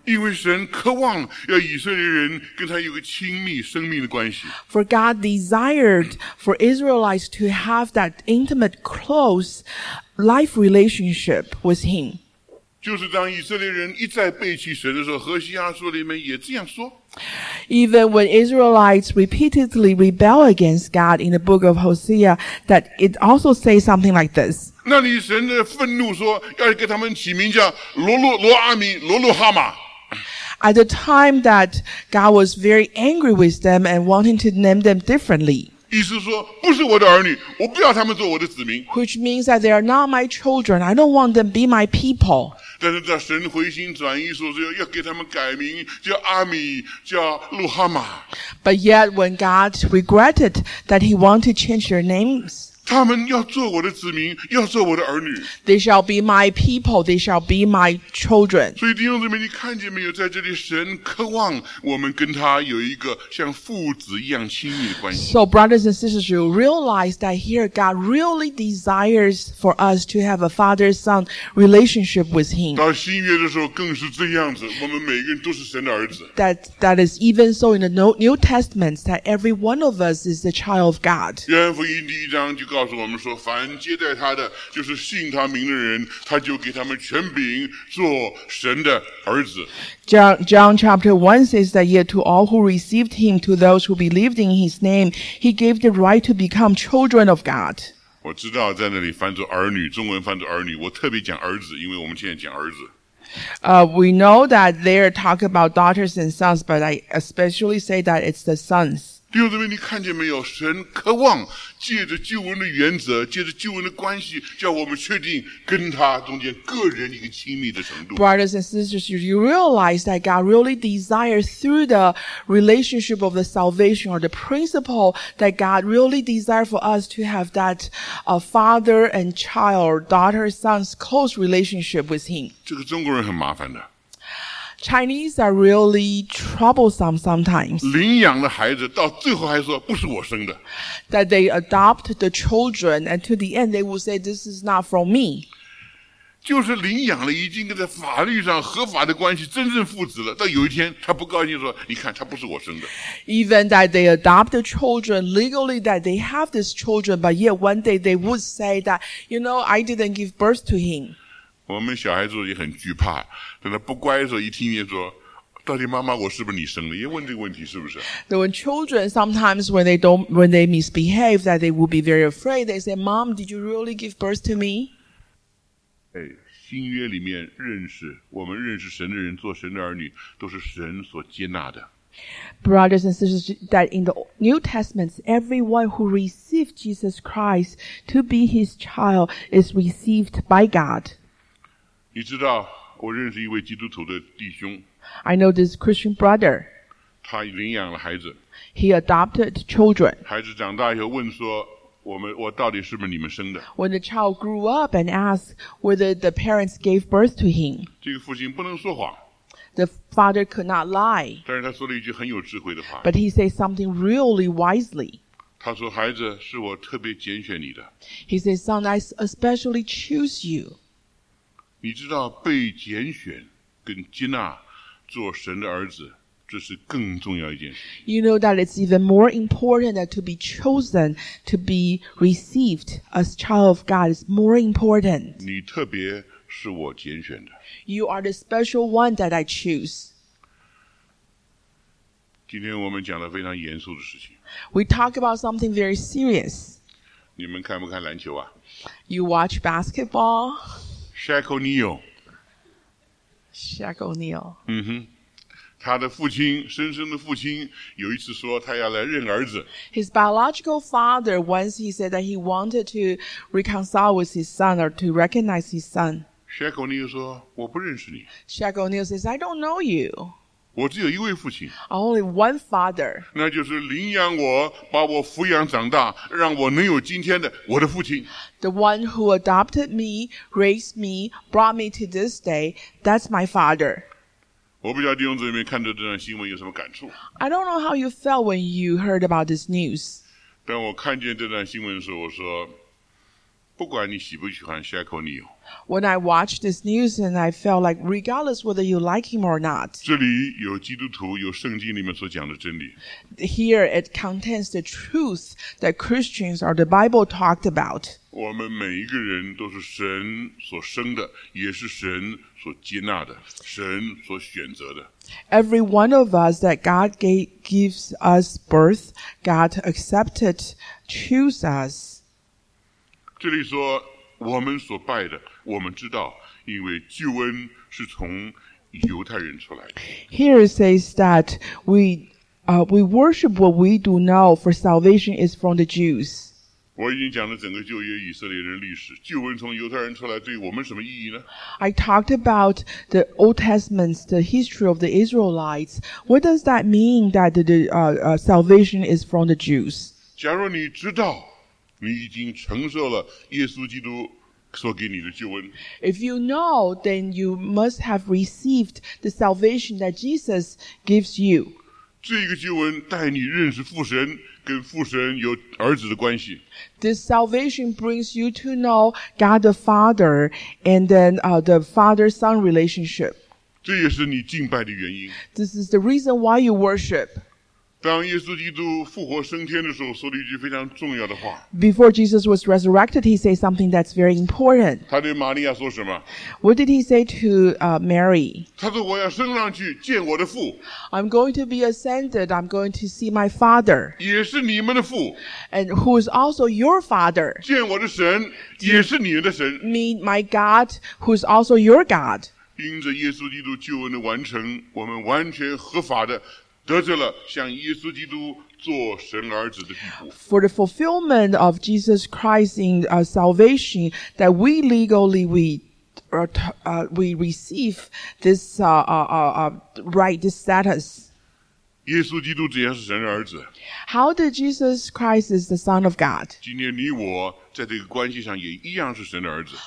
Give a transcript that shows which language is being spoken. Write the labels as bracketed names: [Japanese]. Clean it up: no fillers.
[Chinese] 因为神渴望要以色列人跟他有个亲密生命的关系。 [English] For God desired for Israelites to have that intimate close. Life relationship with him. [Chinese] 就是当以色列人一再背弃神的时候，何西阿书里面也这样说。 [English] Even when Israelites repeatedly rebel against God in the book of Hosea, that it also says something like this. [Chinese] 那里神的愤怒说，要给他们起名叫罗阿米、罗路哈马。 [English] At the time that God was very angry with them and wanting to name them differently. [Chinese] 意思说不是我的儿女，我不要他们做我的子民。 [English] Which means that they are not my children. I don't want them to be my people. [Chinese] 但是在神回心转意说要给他们改名叫阿米，叫路哈马。 [English] But yet when God regretted that he wanted to change their names. [Chinese] 他们要做我的子民，要做我的儿女。 [English] They shall be my people. They shall be my children. [Chinese] 所以弟兄姊妹，你看见没有，在这里神渴望我们跟他有一个像父子一样亲密的关系。 [English] So brothers and sisters, you realize that here God really desires for us to have a father-son relationship with him. [Chinese] 到新约的时候更是这样子，我们每个人都是神的儿子。 [English] That is even so in the New Testament, that every one of us is the child of God. [Chinese] 约翰福音第一章就告诉我们说，凡接待他的，就是信他名的人，他就给他们权柄做神的儿子。 [English] John chapter 1 says that yet to all who received him, to those who believed in his name, he gave the right to become children of God. [Chinese] 我知道在那里翻作儿女，中文翻作儿女，我特别讲儿子，因为我们现在讲儿子。 [English] We know that they're talking about daughters and sons, but I especially say that it's the sons. [Chinese] 弟兄姊妹，你看见没有？神渴望借着救恩的原则，借着救恩的关系，叫我们确定跟他中间个人一个亲密的程度。 [English] Brothers and sisters, you realize that God really desires through the relationship of the salvation or the principle that God really desires for us to have that father and child, daughter, son's close relationship with Him. [Chinese] 这个中国人很麻烦的。 [English] Chinese are really troublesome sometimes. [Chinese] 领养的孩子到最后还说不是我生的。 [English] That they adopt the children and to the end they will say this is not from me. [Chinese] 就是领养了已经跟在法律上合法的关系真正父子了，到有一天他不高兴说你看他不是我生的。 [English] Even that they adopt the children legally that they have these children but yet one day they would say that you know I didn't give birth to him. [Chinese] 我们小孩子也很惧怕，等他不乖的时候，一听见说，到底妈妈我是不是你生的？也问这个问题是不是 [English] ？The when children sometimes when they misbehave, that they will be very afraid. They say, "Mom, did you really give birth to me?" [Chinese] 哎，新约里面认识我们认识神的人，做神的儿女，都是神所接纳的。 [English] Brothers and sisters, that in the New Testament, everyone who received Jesus Christ to be His child is received by God. [Chinese] 你知道我认识一位基督徒的弟兄。 [English] I know this Christian brother. [Chinese] 他领养了孩子。 [English] He adopted children. [Chinese] 孩子长大以后问说我到底是不是你们生的。 [English] When the child grew up and asked whether the parents gave birth to him. [Chinese] 这个父亲不能说谎。 [English] The father could not lie. [Chinese] 但是他说了一句很有智慧的话。 [English] But he said something really wisely. [Chinese] 他说孩子是我特别拣选你的。 [English] He said, son, I especially choose you. [Chinese] 你知道被拣选跟接纳做神的儿子，这是更重要一件事。 [English] You know that it's even more important that to be chosen, to be received as child of God is more important. [Chinese] 你特别是我拣选的。 [English] You are the special one that I choose. [Chinese] 今天我们讲了非常严肃的事情。 [English] We talk about something very serious. [Chinese] 你们看不看篮球啊 [English] ？You watch basketball. Shaq O'Neal. Shaq O'Neal. [Chinese] 嗯哼，他的父亲，生生的父亲，有一次说他要来认儿子。 [English] His biological father once he said that he wanted to reconcile with his son or to recognize his son. [Chinese] Shaq O'Neal 说我不认识你。 [English] Shaq O'Neal says I don't know you. 我只有一位父亲。 Only one father. 那就是领养我，把我抚养长大，让我能有今天的我的父亲。 The one who adopted me, raised me, brought me to this day. That's my father. [Chinese] 我不知道弟兄姊妹看着这段新闻有什么感触。 [English] I don't know how you felt when you heard about this news. [Chinese] 当我看见这段新闻的时候，我说，不管你喜不喜欢 Shackle Neal。 [English] When I watched this news and I felt like regardless whether you like him or not, [Chinese] 这里有基督徒，有圣经里面所讲的真理。 [English] Here it contains the truth that Christians or the Bible talked about. [Chinese] 我们每一个人都是神所生的，也是神所接纳的，神所选择的。 [English] Every one of us that God gives us birth, God accepted, choose us. [Chinese] 这里说我们所拜的，我们知道，因为救恩是从犹太人出来的。 [English] Here it says that we worship what we do know, for salvation is from the Jews. [Chinese] 我已经讲了整个旧约以色列人历史，救恩从犹太人出来，对我们什么意义呢？ [English] I talked about the Old Testament, the history of the Israelites. What does that mean that salvation is from the Jews? [Chinese] 假如你知道你已经承受了耶稣基督所给你的救恩。 [English] If you know, then you must have received the salvation that Jesus gives you. [Chinese] 这个救恩带你认识父神，跟父神有儿子的关系。 [English] This salvation brings you to know God the Father and then the Father-Son relationship. [Chinese] 这也是你敬拜的原因。 [English] This is the reason why you worship. [Chinese] 当耶稣基督复活升天的时候，说了一句非常重要的话。 [English] Before Jesus was resurrected, he said something that's very important. [Chinese] 他对玛利亚说什么？ [English] What did he say to Mary? [Chinese] 他说，我要升上去见我的父。 [English] I'm going to be ascended. I'm going to see my father. [Chinese] 也是你们的父。 [English] And who is also your father? [Chinese] 见我的神，也是你们的神。 [English] Meet my God, who is also your God. [Chinese] 因着耶稣基督救恩的完成，我们完全合法的得着了像耶稣基督做神儿子的地步。 [English] For the fulfillment of Jesus Christ in salvation, that we legally we receive this right, this status. [Chinese] 耶稣基督只要是神儿子。 [English] How did Jesus Christ is the Son of God? [Chinese] 今天你我在这个关系上也一样是神的儿子。